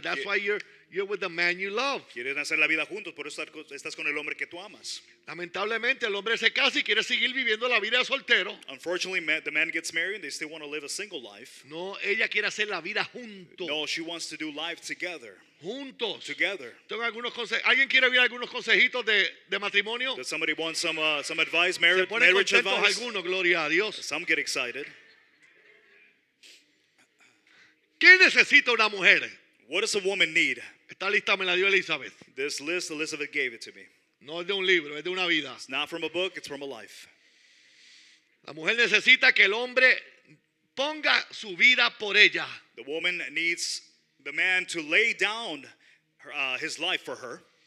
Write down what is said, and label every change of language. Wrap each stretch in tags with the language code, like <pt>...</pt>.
<en>That's why you're with the man you love.</en> <es>Quieren hacer la vida juntos, por eso estás con el hombre que tú amas. Lamentablemente, el hombre se casa y quiere seguir viviendo la vida soltero.</es> <en>Unfortunately, the man gets married and they still want to live a single life.</en> <es>No, ella quiere hacer la vida juntos.</es> <en>No, she wants to do life together.</en> <es>Juntos.</es> <en>Together.</en> <es>Tengo algunos consejos. ¿Alguien quiere oír algunos consejitos de matrimonio?</es> <en>Does somebody want some advice, marriage advice?</en> <es>Se pone contento alguno, gloria a Dios.</es> <en>Some get excited.</en> <es>¿Qué necesita una mujer?</es> <en>What does a woman need?</en> <es>Esta lista me la dio Elizabeth.</es> <en>This list, Elizabeth gave it to me.</en> <es>No es de un libro, es de una vida.</es> <en>It's not from a book, it's from a life.</en> <es>La mujer necesita que el hombre ponga su vida por ella.</es> <en>The woman needs the man to lay down his life for her.</en>